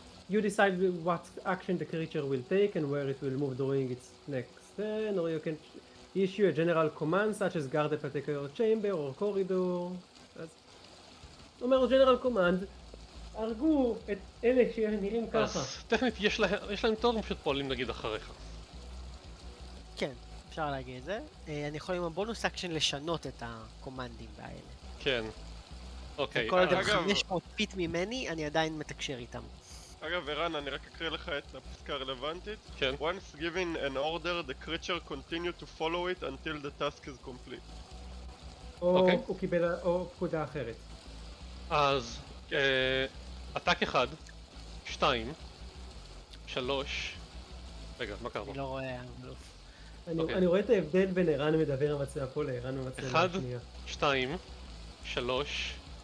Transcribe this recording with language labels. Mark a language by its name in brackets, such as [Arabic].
[English] You decide what action the creature will take and where it will move during its next turn, or you can issue a general command such as guard a particular chamber or corridor. [Hebrew] אז אומר [English] general command, [Hebrew] הרגו את אלה שנראים ככה. אז טכנית יש להם תור, הם פשוט פועלים נגיד אחריך. כן, אפשר להגיד את זה. אני יכול עם הבונוס אקשן לשנות את הקומנדים האלה. כן. אוקיי. כל עוד הם 500 פיט ממני, אני עדיין מתקשר איתם. אגב, ערן, אני רק אקריא לך את הפסקה הרלוונטית. כן. [English] Once given an order, the creature continue to follow it until the task is complete. [Hebrew] או okay. הוא קיבל או פקודה אחרת. אז, עתק אחד, שתיים, שלוש, רגע, מה קרה? אני לא רואה, אני לא... Okay. אני רואה את ההבדל בין ערן מדבר המצלמה פה לערן המצלמה השנייה. אחד, שתיים, שלוש,